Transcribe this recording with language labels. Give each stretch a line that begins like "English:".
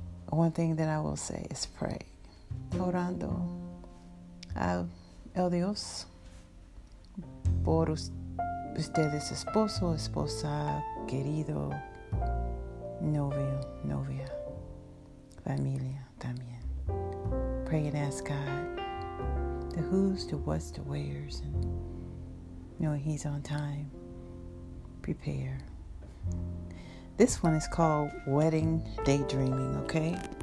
English: One thing that I will say is pray.
Spanish: Orando a el Dios por ustedes, esposo, esposa, querido, novio, novia, familia, también.
English: Pray and ask God the who's, the what's, the where's, and knowing He's on time, prepare. This one is called Wedding Daydreaming, okay?